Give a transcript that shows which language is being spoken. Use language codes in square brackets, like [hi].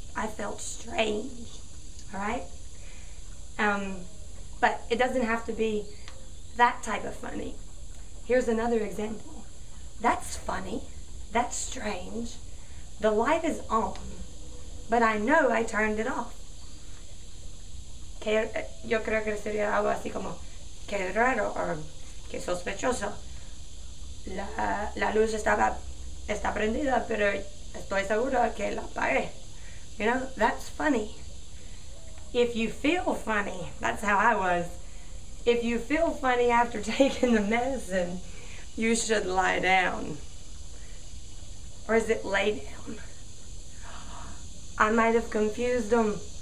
[en] I felt strange, all right? But it doesn't have to be that type of funny. Here's another example. That's funny. That's strange. The light is on, but I know I turned it off. [es] Yo creo que sería algo así como que raro o que sospechoso. La luz está prendida, pero estoy seguro que la apagué. [en] You know, that's funny. If you feel funny, that's how I was. If you feel funny after taking the medicine, you should lie down. Or is it lay down? I might have confused them.